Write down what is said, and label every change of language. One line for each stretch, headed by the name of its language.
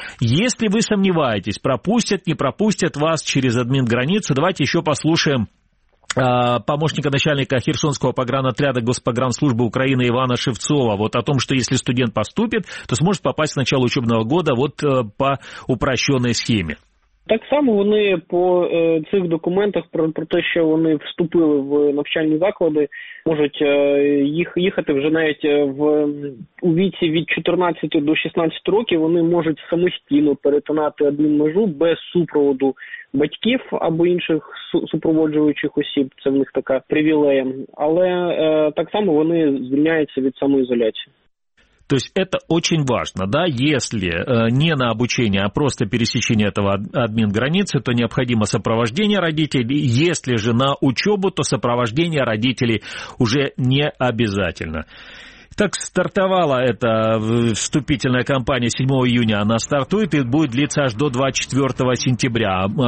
Russian: Если вы сомневаетесь, пропустят, не пропустят вас через админ-границу, давайте еще послушаем помощника начальника Херсонского погранотряда Госпогранслужбы Украины Ивана Шевцова вот о том, что если студент поступит, то сможет попасть в начало учебного года вот по упрощенной схеме.
Ukrainian: Так само вони по цих документах про те, що вони вступили в навчальні заклади, можуть їхати вже навіть у віці від 14 до 16 років, вони можуть самостійно перетинати адмінмежу без супроводу батьків або інших супроводжуючих осіб. Це в них така привілея. Але так само вони звільняються від самоізоляції.
Russian: То есть это очень важно, да, если не на обучение, а просто пересечение этого админ-границы, то необходимо сопровождение родителей, если же на учебу, то сопровождение родителей уже не обязательно. Так стартовала эта вступительная кампания 7 июня, она стартует и будет длиться аж до 24 сентября.